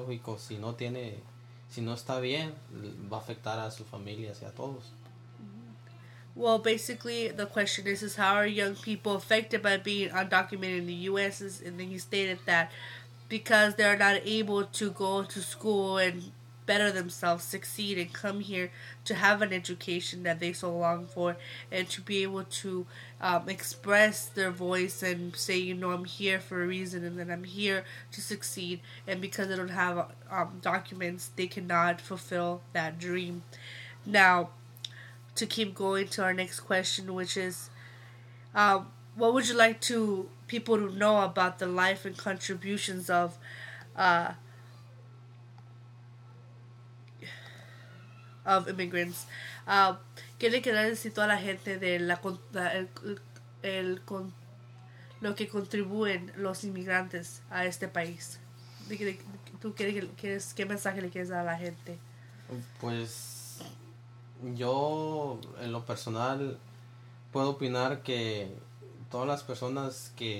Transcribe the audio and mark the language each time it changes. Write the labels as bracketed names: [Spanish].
[Spanish] Lógico, si no está bien, va a afectar a su familia y a todos. [English] Well, basically, the question is how are young people affected by being undocumented in the U.S.? And then he stated that because they're not able to go to school and better themselves, succeed, and come here to have an education that they so long for, and to be able to express their voice and say, you know, I'm here for a reason, and then I'm here to succeed, and because they don't have documents, they cannot fulfill that dream. Now, to keep going to our next question, which is, what would you like to people to know about the life and contributions of of immigrants? [Spanish] ¿Qué le quiere decir toda la gente de lo que contribuyen los inmigrantes a este país? ¿Qué mensaje le quieres dar a la gente? Pues yo, en lo personal, puedo opinar que todas las personas